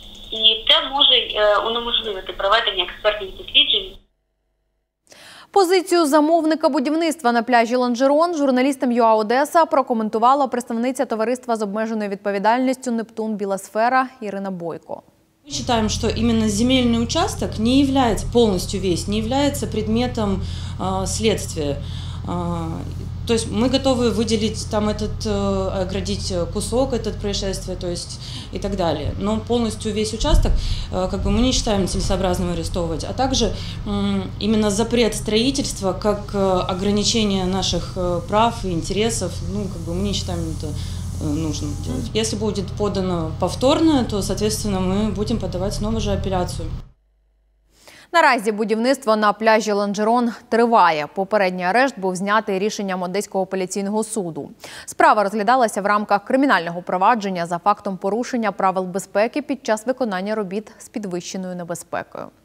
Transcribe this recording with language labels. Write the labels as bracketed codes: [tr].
[uk] І це може унеможливити проведення експертних досліджень. Позицію замовника будівництва на пляжі Ланжерон журналістам ЮА Одеса прокоментувала представниця товариства з обмеженою відповідальністю «Нептун Біласфера» Ірина Бойко. [ru] Мы считаем, что именно земельный участок не является полностью весь, не является предметом следствия. То есть мы готовы выделить там этот, оградить кусок этот происшествия, то есть и так далее. Но полностью весь участок мы не считаем целесообразным арестовывать. А также именно запрет строительства как ограничение наших прав и интересов, мы не считаем это нужно делать. Если будет подано повторно, то, соответственно, мы будем подавать снова же апелляцию. [uk] Наразі будівництво на пляжі Ланжерон триває. Попередній арешт був знятий рішенням Одеського апеляційного суду. Справа розглядалася в рамках кримінального провадження за фактом порушення правил безпеки під час виконання робіт з підвищеною небезпекою.